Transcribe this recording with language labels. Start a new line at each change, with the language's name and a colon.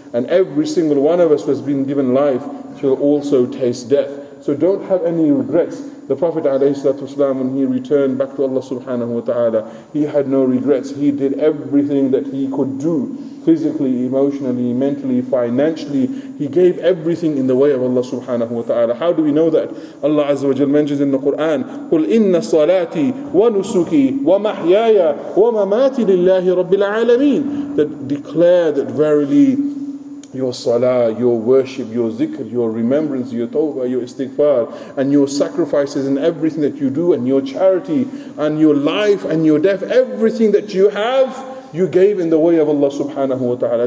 English: And every single one of us who has been given life shall also taste death. So don't have any regrets. The Prophet ﷺ, when he returned back to Allah subhanahu wa ta'ala, he had no regrets. He did everything that he could do, physically, emotionally, mentally, financially. He gave everything in the way of Allah subhanahu wa ta'ala. How do we know that? Allah Azza wa Jal mentions in the Quran,
Arabic: قُلْ إِنَّ صَلَاتِي وَنُسُكِي وَمَحْيَايَ وَمَمَاتِ لِلَّهِ رَبِّ الْعَالَمِينَ.
English: That declare that verily, your salah, your worship, your zikr, your remembrance, your tawbah, your istighfar, and your sacrifices and everything that you do, and your charity, and your life, and your death, everything that you have, you gave in the way of Allah subhanahu wa ta'ala.